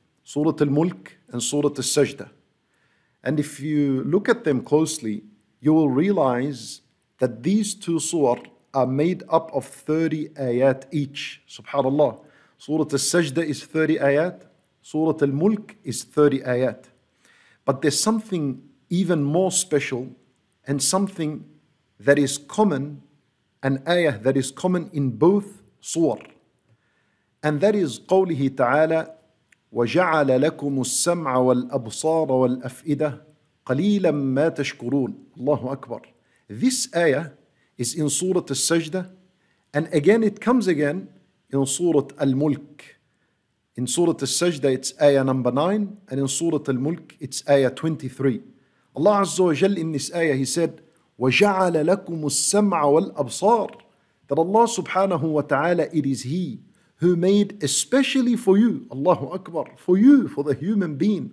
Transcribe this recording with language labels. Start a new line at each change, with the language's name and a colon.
English: Surah Al-Mulk and Surah Al-Sajda. And if you look at them closely, you will realize that these two surah are made up of 30 ayat each. SubhanAllah. Surah Al-Sajda is 30 ayat. Surah Al-Mulk is 30 ayat. But there's something even more special and something that is common, an ayah that is common in both surah. And that is
Arabic: قوله تعالى وَجَعَلَ لَكُمُ السَّمْعَ وَالْأَبْصَارَ وَالْأَفْئِدَةَ قَلِيلًا مَا تَشْكُرُونَ. الله أكبر.
English: This ayah is in Surah Al-Sajda, and again it comes again in Surah Al-Mulk. In Surah Al-Sajda it's ayah number 9, and in Surah Al-Mulk it's ayah 23. Allah Azza wa Jal in this ayah, he said
Arabic: وَجَعَلَ لَكُمُ السَّمْعَ وَالْأَبْصَارَ,
English: that Allah subhanahu wa ta'ala, it is He who made especially for you, Allahu Akbar, for you, for the human being.